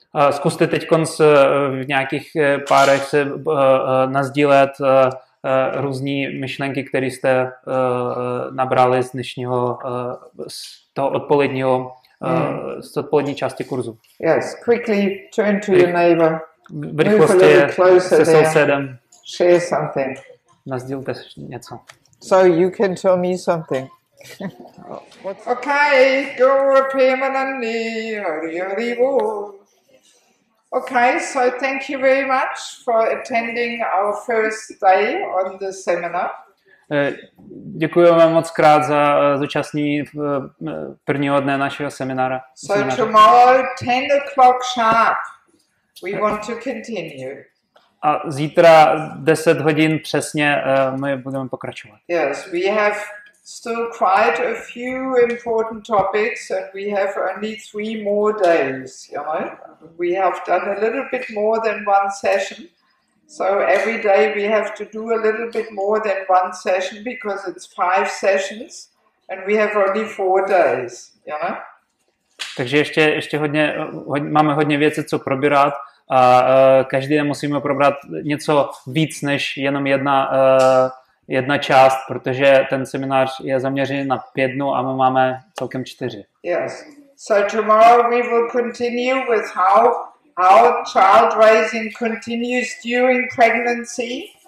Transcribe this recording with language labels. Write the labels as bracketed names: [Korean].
[Czech] Zkuste teďkon v nějakých párech se nazdílet různé myšlenky, které jste nabrali z dnešního, z toho odpoledního, z odpolední části kurzu. [English] Yes, quickly turn to your neighbor. [Czech] V rychlosti se sousedem. [English] Share something. [Czech] Nazdílte něco. [English] So you can tell me something. Okay, Guru Premanandi, Hari Hari Bol. Okay, so thank you very much for attending our first day on the seminar. [Czech] Děkujeme moc krát za zúčastnění prvního dne našeho semináru. [English] So tomorrow, 10 o'clock sharp. We want to continue. [Czech] A zítra 10 hodin přesně my budeme pokračovat. [English] Yes, we have still quite a few important topics and we have only 3 more days, you know? We have done a little bit more than one session. So every day we have to do a little bit more than one session because it's 5 sessions and we have only 4 days, you know? [Czech] Takže ještě hodně, máme hodně věcí, co probírat. A každý den musíme probrat něco víc než jenom jedna část, protože ten seminář je zaměřený na 5 dnů a my máme celkem 4. [English] Yes. So tomorrow we will continue with how child raising continues during pregnancy.